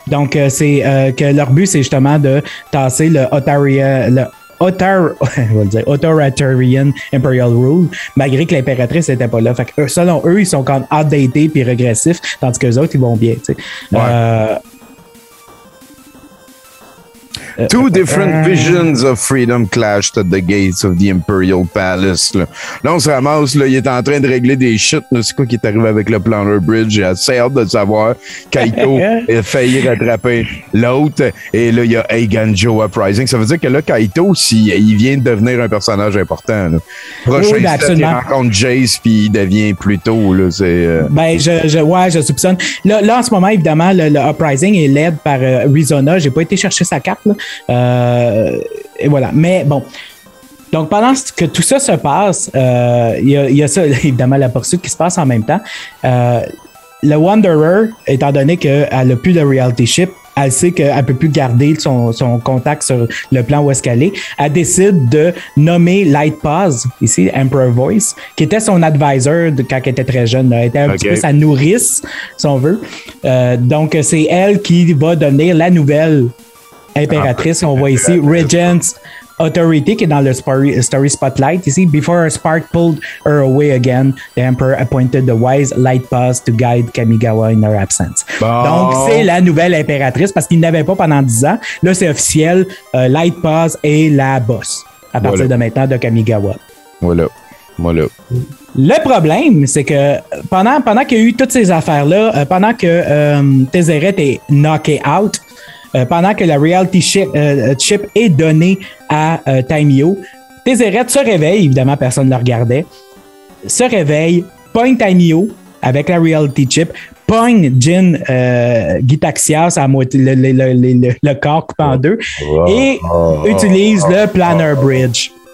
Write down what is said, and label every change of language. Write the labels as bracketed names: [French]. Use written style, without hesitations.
[French] Donc, c'est que leur but, c'est justement de tasser l'Autoritarian Imperial Rule, malgré que l'impératrice n'était pas là. Fait que selon eux, ils sont quand même outdated et régressifs, tandis qu'eux autres, ils vont bien. Ouais. [English] Two different visions of freedom clashed at the gates of the Imperial Palace. [French] Là, on se ramasse, là, il est en train de régler des shit. C'est quoi qui est arrivé avec le Planar Bridge? J'ai assez hâte de savoir. Kaito a failli rattraper l'autre. Et là, il y a Eganjo Uprising. Ça veut dire que là, Kaito, il vient de devenir un personnage important. Là. Prochain [English] step, [French] il rencontre Jace, puis il devient Pluto. Je soupçonne. Là, en ce moment, évidemment, le Uprising est led par Rizona. J'ai pas été chercher sa carte, là. Et voilà, mais bon, donc pendant que tout ça se passe, il y a ça, évidemment, la poursuite qui se passe en même temps. Le Wanderer, étant donné qu'elle n'a plus de reality ship, elle sait qu'elle ne peut plus garder son contact sur le plan où est-ce qu'elle est, elle décide de nommer Light Paws, ici, Emperor Voice, qui était son advisor quand elle était très jeune. Elle était un petit peu sa nourrice, si on veut. Donc c'est elle qui va devenir la nouvelle impératrice, on voit ici Regent's Authority qui est dans le story spotlight ici. [English] Before a spark pulled her away again, the Emperor appointed the wise Light Paws to guide Kamigawa in her absence. [French] Bon. Donc, c'est la nouvelle impératrice parce qu'il n'avait pas pendant 10 ans. Là, c'est officiel. Light Paws est la boss à partir de maintenant de Kamigawa. Voilà. moi là. Le problème, c'est que pendant qu'il y a eu toutes ces affaires-là, pendant que Tézéret est knocké out, pendant que la reality chip est donnée à Taimyo, Tézéret se réveille, évidemment, personne ne le regardait, se réveille, pogne Taimyo avec la reality chip, pogne Jin Gitaxias à moitié, le corps coupé en deux, et utilise le Planner Bridge.